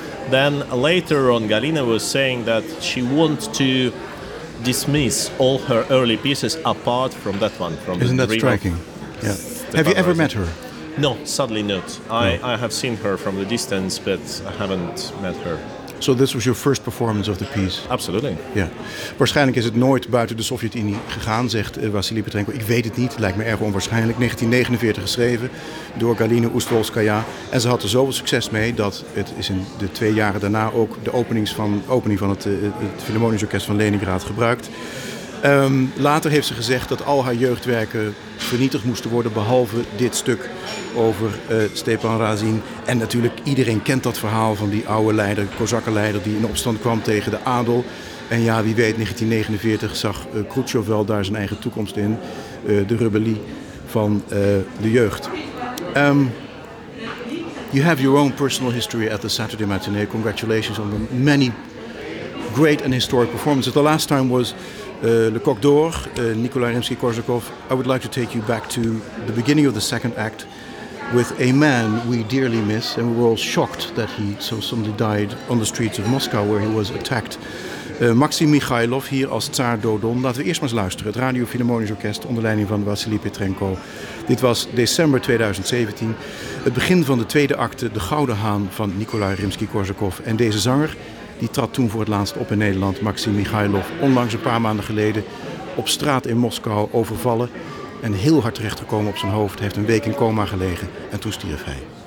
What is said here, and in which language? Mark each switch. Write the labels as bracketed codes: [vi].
[en] Then later on, Galina was saying that she wants to dismiss all her early pieces apart from that one. From Isn't the that striking? Yeah. Have you ever met her? No, sadly not. I have seen her from the distance, but I haven't met her. So this was your first performance of the piece? Absolutely. [nl] Ja. Waarschijnlijk is het nooit buiten de Sovjet-Unie gegaan, zegt Wassily Petrenko. Ik weet het niet, lijkt me erg onwaarschijnlijk. 1949 geschreven door Galina Ustrolskaya. En ze had er zoveel succes mee dat het is in de twee jaren daarna ook de opening van het Philharmonisch Orkest van Leningrad gebruikt. Later heeft ze gezegd dat al haar jeugdwerken vernietigd moesten worden, behalve dit stuk over Stepan Razin. En natuurlijk, iedereen kent dat verhaal van die oude leider, Kozakkenleider, die in opstand kwam tegen de adel. En ja, wie weet, 1949 zag Khrushchev wel daar zijn eigen toekomst in, de rebellie van de jeugd. [en] You have your own personal history at the Saturday Matinee. Congratulations on the many great and historic performances. The last time was Le Coq d'Or, Nikolai Rimsky-Korsakov. I would like to take you back to the beginning of the second act with a man we dearly miss, and we were all shocked that he so suddenly died on the streets of Moscow where he was attacked. [nl] Maxim Mikhailov hier als Tsaar Dodon. Laten we eerst maar eens luisteren. Het Radio Philharmonisch Orkest onder leiding van Wassily Petrenko. Dit was december 2017. Het begin van de tweede acte, De Gouden Haan van Nikolai Rimsky-Korsakov. En deze zanger die trad toen voor het laatst op in Nederland, Maxim Mikhailov, onlangs een paar maanden geleden op straat in Moskou overvallen en heel hard terechtgekomen op zijn hoofd, heeft een week in coma gelegen en toen stierf hij.